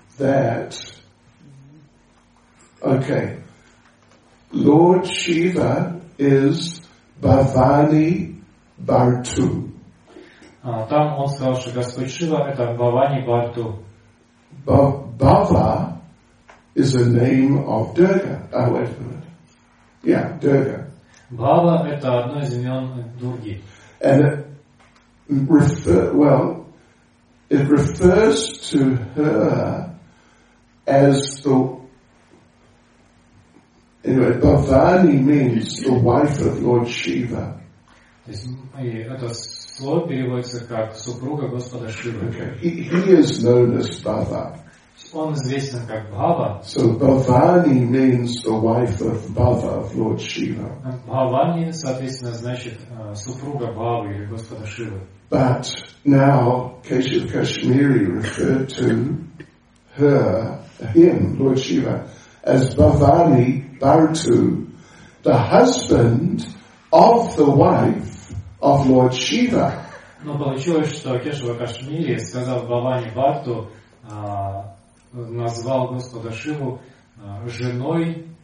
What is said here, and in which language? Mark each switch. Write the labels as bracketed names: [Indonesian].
[English] That, okay, Lord Shiva is Bhavani Bhartu. [Russian] Там он сказал, что Господь Шива это Бхавани Бхарту. [English] Bhava is a name of Durga. Oh, wait a minute. Yeah, Durga. [Russian] Бхава это одно из имен Дурги. [English] And it refers to her as the, anyway, Bhavani means the wife of Lord Shiva. [Russian] Это слово переводится как супруга Господа Шивы. [English] Okay. He is known as Bhava. [Russian] Он известен как Бхава. [English] So Bhavani means the wife of Bhava, of Lord Shiva. [Russian] Бхавани, соответственно, значит супруга Бхавы или Господа Шивы. [English] But now Keshav Kashmiri referred to him, Lord Shiva, as Bhavani Bhartu, the husband of the wife of Lord Shiva. [Russian] Но получилось, что Кешав Кашмири сказал Бхавани Бхарту, назвал Господа Шиву женой.